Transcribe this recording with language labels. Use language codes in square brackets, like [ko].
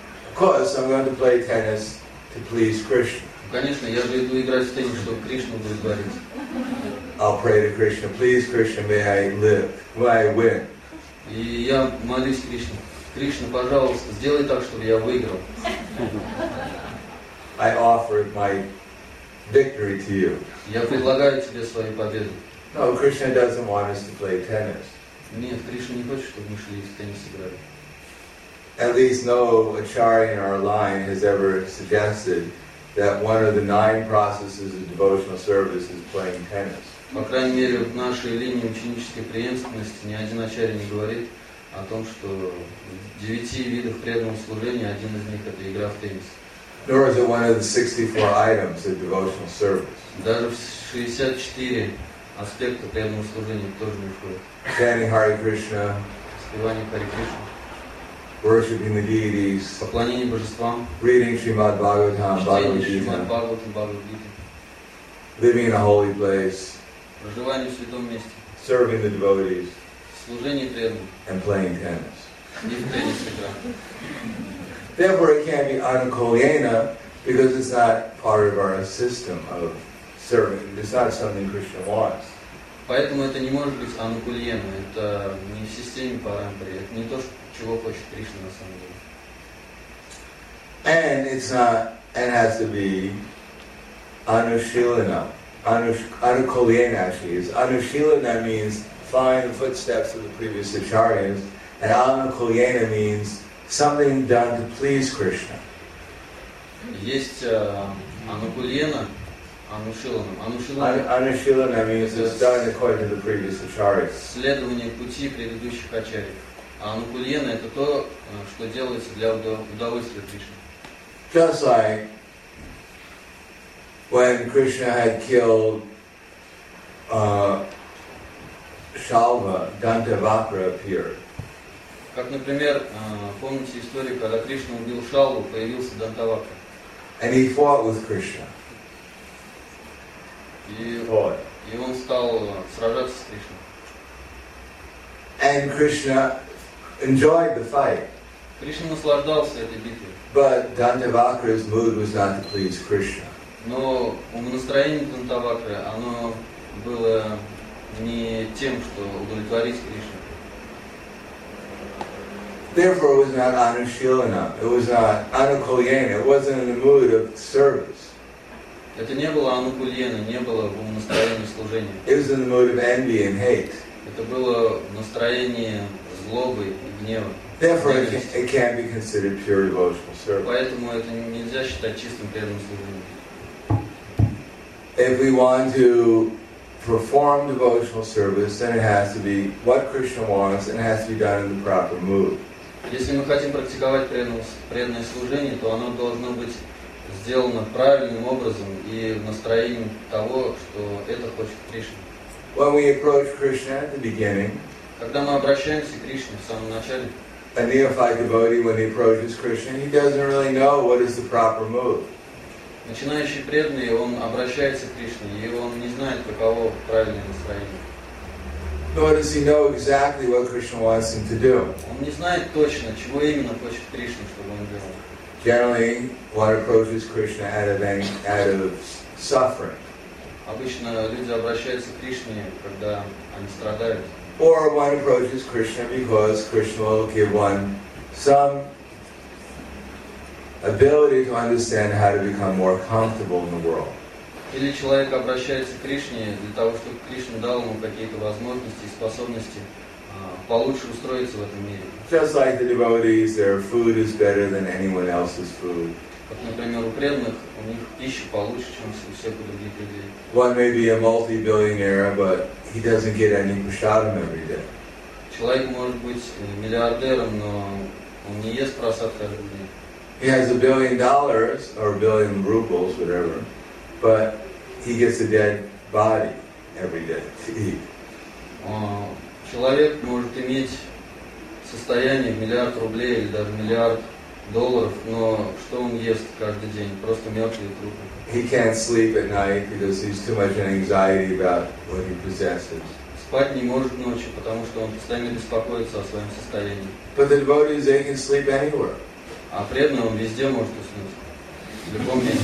[en] Of course, I'm going to play tennis to please Krishna. [ru] Конечно, я же иду играть в теннис, чтобы Кришну удовлетворить. [en] I'll pray to Krishna, please, Krishna, may I live, may I win. [ru] И я молюсь Кришне, Кришна, пожалуйста, сделай так, чтобы я выиграл. [en] I offered my victory to you. [ru] Я предлагаю тебе свою победу. [en] No, Krishna doesn't want us to play tennis. [ru] Нет, Кришна не хочет, чтобы мы шли в теннис играли. [en] At least no acharya in our line has ever suggested that one of the nine processes of devotional service is playing tennis. [ru] По крайней мере, в нашей линии ученической преемственности ни один ачарья не говорит о том, что девяти видов преданного служения, один из них — это игра в теннис. [en] Nor is it one of the 64 items of devotional service. [ru] Даже в 64 аспекта преданного служения тоже не входит. [en] Chanting Hare Krishna. [ru] Спевание Hare Krishna. [en] Worshipping the deities. [ru] Поклонение божествам. [en] Reading Srimad Bhagavatam, Bhagavad Gita. Living in a holy place. [ru] Проживание в святом месте. [en] Serving the devotees. [ru] Служение преданным. [en] And playing tennis. [ru] И в теннис играть. [en] Therefore, it can't be ankolena because it's not part of our system of serving. It's not something Krishna wants. [ru] Поэтому это не может быть ankolena. Это не в системе парампари. Это не то, чего хочет Кришна на самом деле. [en] And it's not. It has to be anushilana. Ankolena actually is anushilana means following the footsteps of the previous acharyas, and ankolena means something done to please Krishna. [ru] Есть анукулена, анушилана. [en] Анушилана means it's done according to the previous acharyas. [ru] Следование пути предыдущих ачарий. А анукулена это то, что делается для удовольствия Кришны. [en] Just like when Krishna had killed Shalva, Dantavakra appeared. [ru] Как, например, помните историю, когда Кришна убил Шалу, появился Дантавакра. [en] And he fought with Krishna. [ru] И он стал сражаться с Кришной. [en] And Krishna enjoyed the fight. [ru] Кришна наслаждался этой битвой. [en] But Dantavakra's mood was not to please Krishna. [ru] Но настроение Дантавакры, оно было не тем, что удовлетворить Кришну. [en] Therefore, it was not anushilana. It was not anukulyena. It wasn't in the mood of service. [ru] Это не было анукульена, не было в настроении служения. [en] It was in the mood of envy and hate. [ru] Это было настроение злобы и гнева. [en] Therefore, it can't be considered pure devotional service. [ru] Поэтому это нельзя считать чистым преданным служением. [en] If we want to perform devotional service, then it has to be what Krishna wants, and it has to be done in the proper mood. [ru] Если мы хотим практиковать преданное служение, то оно должно быть сделано правильным образом и в настроении того, что это хочет Кришна. [en] When we approach Krishna at the beginning, [ru] когда мы обращаемся к Кришне в самом начале, [en] a neophyte devotee, when he approaches Krishna, he doesn't really know what is the proper mood. [ru] Начинающий преданный, он обращается к Кришне, и он не знает, каково правильное настроение. [en] Nor does he know exactly what Krishna wants him to do. [ru] Он не знает точно, чего именно хочет Кришна, чтобы он делал. [en] Generally, one approaches Krishna out of suffering. [ru] Обычно люди обращаются к Кришне, когда они страдают. [en] Or one approaches Krishna because Krishna will give one some ability to understand how to become more comfortable in the world. [ru] Или человек обращается к Кришне для того, чтобы Кришна дал ему какие-то возможности и способности получше устроиться в этом мире. [en] Just like the devotees, their food is better than anyone else's food. [ru] Вот, например, у преданных у них пища получше, чем у всех других людей. [en] One may be a multi-billionaire, but he doesn't get any prasadam every day. [ru] Человек может быть миллиардером, но он не ест просад каждый день. [en] He has $1 billion or ₹1 billion, whatever. But he gets a dead body every day to eat. [ru] Человек может иметь состояние в миллиард рублей или даже миллиард долларов, но что он ест каждый день? Просто мертвые трупы. [en] He can't sleep at night because he's too much anxiety about what he possesses. [ru] Спать не может ночью, потому что он постоянно беспокоится о своем состоянии. [en] But the devotees, they can sleep anywhere. [ru] А преданный он везде может уснуть.